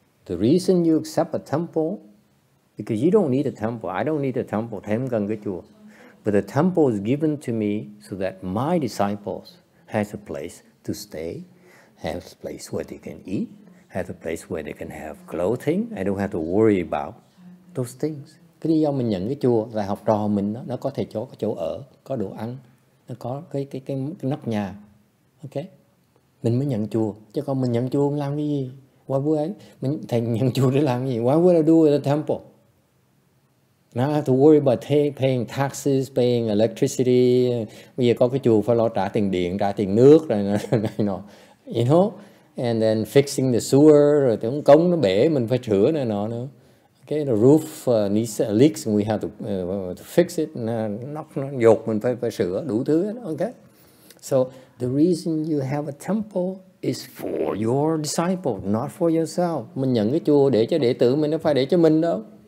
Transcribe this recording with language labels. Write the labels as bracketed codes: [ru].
[en] The reason you accept a temple, because you don't need a temple. I don't need a temple. [vi] Thầy không cần cái chùa. [en] But the temple is given to me so that my disciples has a place to stay, have a place where they can eat, have a place where they can have clothing. I don't have to worry about those things. [vi] Cái lý do mình nhận cái chùa là học trò mình đó, nó có thầy chỗ, có chỗ ở, có đồ ăn, nó có cái nóc nhà. Ok? Mình mới nhận chùa. Chứ còn mình nhận chùa làm cái gì? [en] Why would I? [vi] Mình, thầy nhận chùa để làm cái gì? [en] Why would I do at a temple? Now I have to worry about paying taxes, paying electricity. [vi] Bây giờ có cái chùa phải lo trả tiền điện, trả tiền nước rồi, [en] you know? And then fixing the sewer, [vi] rồi cái cống nó bể, mình phải sửa này nọ nữa. [en] Okay, the roof needs leaks, and we have to fix it. [vi] Nó dột, mình phải sửa đủ thứ. [en] Okay, so the reason you have a temple is for your disciple, not for yourself. [vi] Mình nhận cái chùa để cho đệ tử mình, nó phải để cho mình đâu.